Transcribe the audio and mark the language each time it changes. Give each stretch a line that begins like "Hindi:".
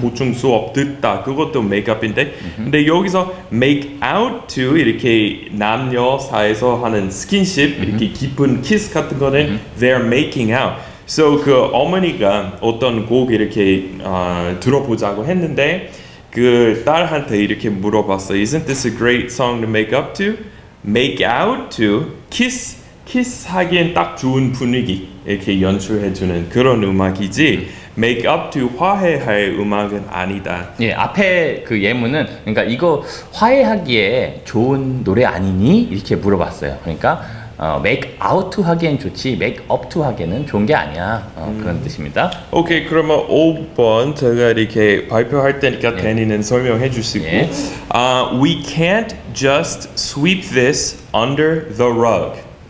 Korean: 보충 수업 듣다 그것도 make up인데 근데 여기서 make out to 이렇게 남녀 사이에서 하는 스킨십 이렇게 깊은 키스 같은 거는
English: they're making out.
Korean: So 그 어머니가 어떤 곡 이렇게 들어보자고 했는데 그 딸한테 이렇게 물어봤어.
English: Isn't this a great song to make up to? Make out to? Kiss?
Korean: 키스하기엔 딱 좋은 분위기 이렇게 연출해주는 그런 음악이지 make up to 화해할 음악은 아니다. 예, 앞에 그 예문은 그러니까 이거 화해하기에 좋은 노래 아니니? 이렇게 물어봤어요. 그러니까 make out to 하기엔 좋지 make up to 하기에는 좋은 게 아니야. 그런 뜻입니다. 오케이, 그러면 5번 제가 이렇게 발표할 테니까 데니는 예. 설명해 주시고 예.
English: We can't just sweep this under the rug.